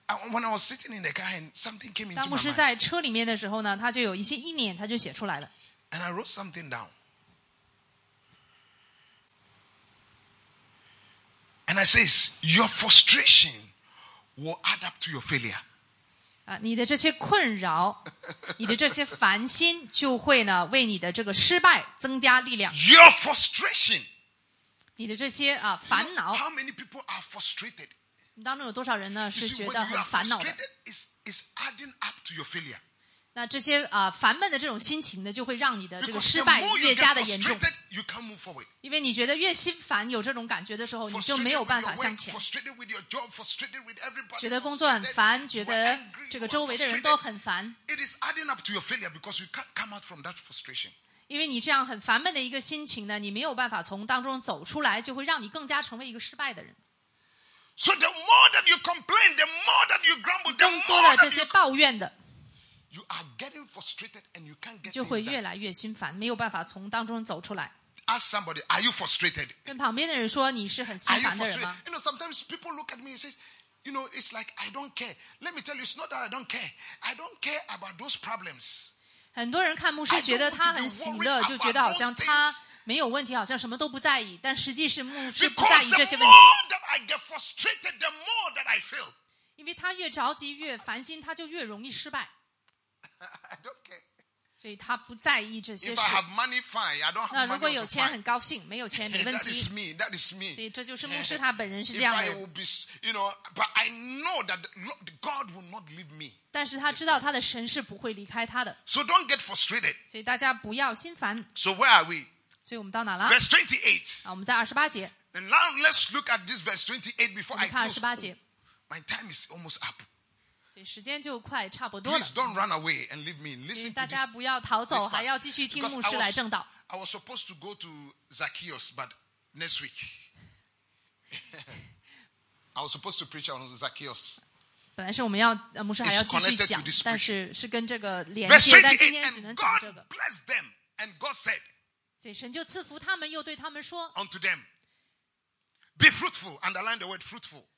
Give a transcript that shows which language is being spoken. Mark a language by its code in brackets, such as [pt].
[en] When I was sitting in the car and something came into my mind. [zh] 当牧师在车里面的时候呢，他就有一些意念，他就写出来了。 [en] And I wrote something down. I say is, your frustration will add up to your failure. [zh] 你的这些困扰，你的这些烦心，就会呢为你的这个失败增加力量。 [en] Your frustration， [zh] 你的这些啊烦恼。 [en] You know, how many people are frustrated？ [zh] 当中有多少人呢是觉得很烦恼的 [en] ？Is adding up to your failure。 [zh] 那这些啊烦闷的这种心情呢，就会让你的这个失败越加的严重。 [en] You can't move forward。 [zh] 因为你觉得越心烦，有这种感觉的时候，你就没有办法向前。 [en] Frustrated with your job, frustrated with everybody. [zh] 觉得工作很烦，觉得这个周围的人都很烦。 [en] It is adding up to your failure because you can't come out from that frustration. [zh] 因为你这样很烦闷的一个心情呢，你没有办法从当中走出来，就会让你更加成为一个失败的人。 [en] So the more that you complain, the more that you grumble, the more that you [zh] 更多的这些抱怨的。 [en] You are getting frustrated and you can't get [zh] 就会越来越心烦，没有办法从当中走出来。 [en] Ask somebody, are you frustrated? [zh] 跟旁边的人说你是很心烦的人吗？ [en] You know, sometimes people look at me and say, you know, it's like I don't care. Let me tell you, it's not that I don't care. I don't care about those problems. [zh] 很多人看牧师觉得他很喜乐，就觉得好像他没有问题，好像什么都不在意。但实际是牧师不在意这些问题。 [en] Because the more that I get frustrated, the more that I fail. [zh] 因为他越着急越烦心，他就越容易失败。 [en] I don't care. [zh] 所以他不在意这些事。 [en] If I have money, fine. I don't have money. [zh] 那如果有钱很高兴，没有钱没问题。 [en] That is me. That is me. [zh] 所以这就是牧师他本人是这样的。 [en] If I will be, you know, but I know that God will not leave me. [zh] 但是他知道他的神是不会离开他的。 [en] So don't get frustrated. [zh] 所以大家不要心烦。 [en] So where are we? [zh] 所以我们到哪了？ [en] Verse 28. [zh] 啊，我们在二十八节。 [en] And now let's look at this verse 28 before I close. [zh] 我们看二十八节。 [en] My time is almost up. [zh] 所以时间就快差不多了。 [en] Please don't run away and leave me. Listen, [zh] 大家不要逃走，还要继续听牧师来证道。 [en] I was supposed to go to Zacchaeus, but next week. I was supposed to preach on Zacchaeus. [zh] 本来是我们要牧师还要继续讲，但是是跟这个连接。 [en] Verse 28, and God blessed them, and God said. [zh] 所以神就赐福他们，又对他们说 [en] ，Unto them, be fruitful. Underline the word fruitful.